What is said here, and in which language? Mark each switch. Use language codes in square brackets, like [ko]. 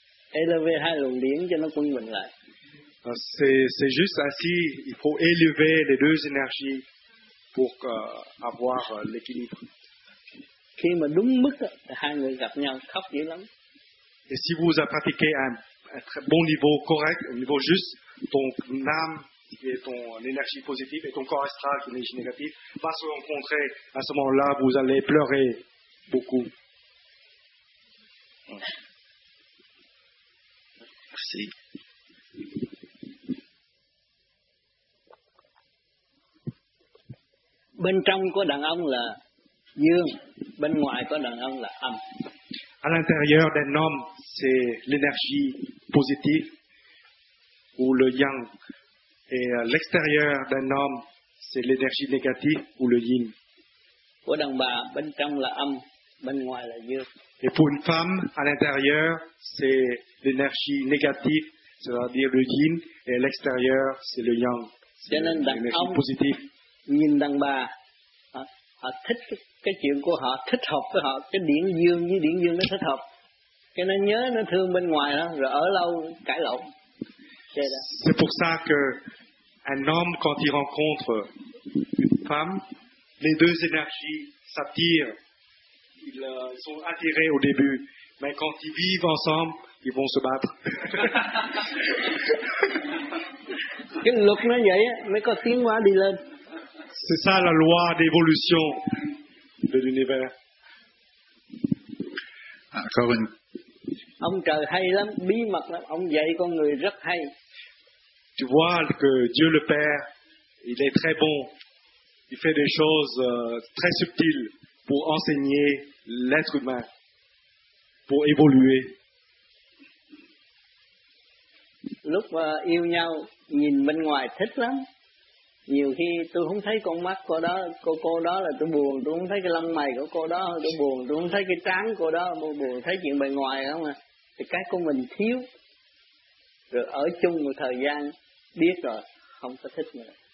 [vi] Élever hai luồng điển cho nó quân bình lại. [fr] C'est juste ainsi, il faut élever les deux énergies pour avoir l'équilibre. [vi] Khi mà đúng mức hai người gặp nhau khóc dữ lắm. [fr] Et si vous avez pratiqué un très bon niveau correct, un niveau juste, ton âme et ton énergie positive et ton corps astral qui est l'énergie négative va se rencontrer à ce moment-là, vous allez pleurer beaucoup. Merci. [vi] Bên trong có đàn ông là dương, bên ngoài có đàn ông là âm. [fr] À l'intérieur d'un homme, c'est l'énergie positive ou le yang. Et à l'extérieur d'un homme, c'est l'énergie négative ou le yin. [vi] Của đàn bà, bên trong là âm, bên ngoài là dương. [fr] Et pour une femme, à l'intérieur, c'est l'énergie négative, c'est-à-dire le yin, et à l'extérieur, c'est le yang, c'est l'énergie positive. [vi] Nhìn đàn bà, họ thích cái chuyện của họ, thích hợp với họ, cái điển dương với điển dương nó thích hợp. Cái nó nhớ, nó thương bên ngoài đó, rồi ở lâu cãi lộn. [fr] C'est pour ça que un homme, quand il rencontre une femme, les deux énergies s'attirent. Ils sont attirés au début, mais quand ils vivent ensemble, ils vont se battre. C'est ça la loi d'évolution de l'univers. Encore une. [vi] Ông trời hay lắm, bí mật lắm, ông dạy con người rất hay. [fr] Tu vois que Dieu le Père, il est très bon. Il fait des choses très subtiles pour enseigner l'être humain, pour évoluer. [vi] Lúc yêu nhau, nhìn bên ngoài thích lắm. Nhiều khi tôi không thấy con mắt cô đó, cô đó là tôi buồn, tôi không thấy cái lông mày của cô đó, tôi buồn, tôi không thấy cái trán cô đó, tôi buồn, thấy chuyện bên ngoài không à. Thì cái của mình thiếu, rồi ở chung một thời gian, biết rồi, không có thích nữa.